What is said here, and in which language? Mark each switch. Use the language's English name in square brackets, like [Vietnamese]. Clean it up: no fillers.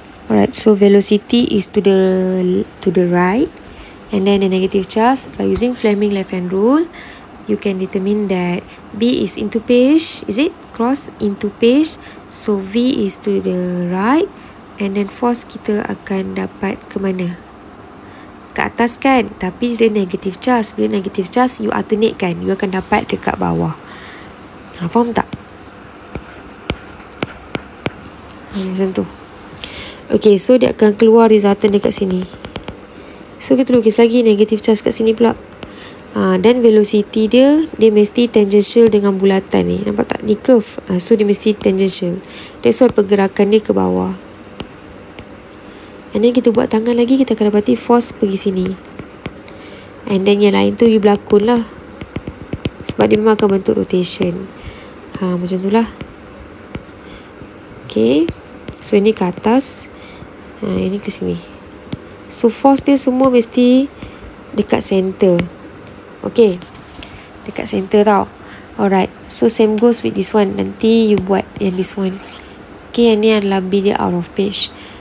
[English] Alright, so velocity is to the right. And then the negative charge, by using Fleming left hand rule, you can determine that B is into page, is it? Cross into page. So V is to the right. [Malay] And then force kita akan dapat ke mana? Ke atas kan, tapi dia negative charge. Bila negative charge, you alternate kan, you akan dapat dekat bawah. Faham tak? Macam tu. Okay, so dia akan keluar resultant dekat sini. So kita lukis lagi negative charge kat sini pula. Dan velocity dia, dia mesti tangential dengan bulatan ni. Nampak tak? Ni curve. So dia mesti tangential. That's why pergerakan dia ke bawah. And then kita buat tangan lagi, kita akan dapati force pergi sini. And then yang lain tu you berlakon lah, sebab dia memang akan bentuk rotation. Macam tu lah. Okay, so ini ke atas, ini ke sini. So force dia semua mesti dekat center. Okay, dekat center tau. [English] Alright, so same goes with this one. [Malay] Nanti you buat yang [English] this one. [Malay] Okay, yang ni adalah B dia out of page.